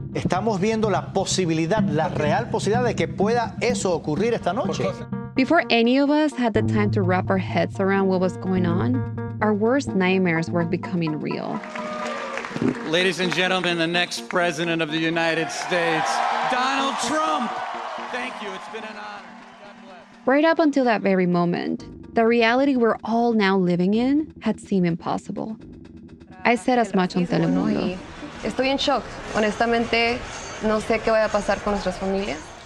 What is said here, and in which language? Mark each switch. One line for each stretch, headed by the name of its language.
Spanish: Estamos viendo la posibilidad, la real posibilidad de que pueda eso ocurrir esta noche.
English: Before any of us had the time to wrap our heads around what was going on, our worst nightmares were becoming real. Ladies and gentlemen, the next president of the United States, Donald Trump. Thank you. It's been an honor. God bless. Right up until that very moment, the reality we're all now living in had seemed impossible. I said as much on Telemundo.
Spanish: Estoy en shock. Honestamente, no sé qué vaya a pasar con nuestras familias.